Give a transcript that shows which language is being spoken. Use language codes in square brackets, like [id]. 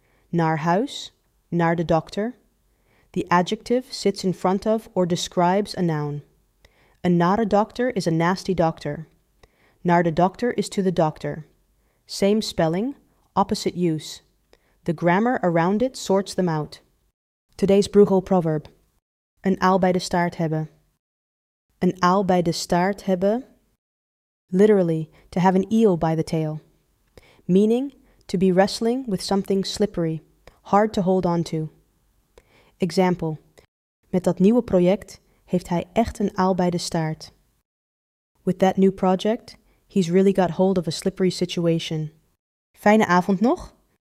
[nl] Naar huis, naar de dokter. [en] The adjective sits in front of or describes a noun. A [nl] nare dokter [en] is a nasty doctor. [nl] Naar de dokter [en] is to the doctor. Same spelling, opposite use. The grammar around it sorts them out. Today's Brugel proverb. [nl] Een aal bij de staart hebben. Een aal bij de staart hebben. [en] Literally, to have an eel by the tail. Meaning, to be wrestling with something slippery, hard to hold on to. [nl] Example, met dat nieuwe project heeft hij echt een aal bij de staart. [en] With that new project, he's really got hold of a slippery situation. [nl] Fijne avond nog!